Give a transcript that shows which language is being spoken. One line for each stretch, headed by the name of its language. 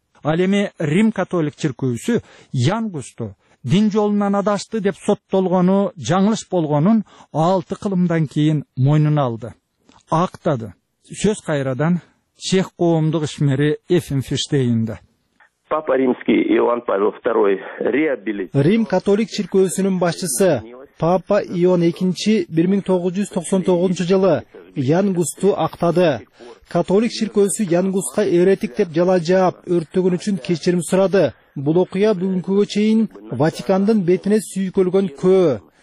Kyrgyz: Ал эми Рим католик чиркөөсү Янгусту дин жолунан адашты деп соттолгону жаңылыш болгонун 6 кылымдан кийин мойнуна алды. Актады. Сөз кайрадан чех коомдук ишмери Эффенфиштейнде.
Russian: Папа Римский Иоанн Павел II реабилит.
Kyrgyz: Рим католик чиркөөсүнүн башчысы Папа Ион II 1999 жылы Янгусту актады. Католик чиркөөсү Янгуска эретик деп жала жаап, өрттөгөн үчүн кечирим сурады. Бул окуя бүгүнкүгө чейин Ватикандын бетине сүйкөлгөн көө.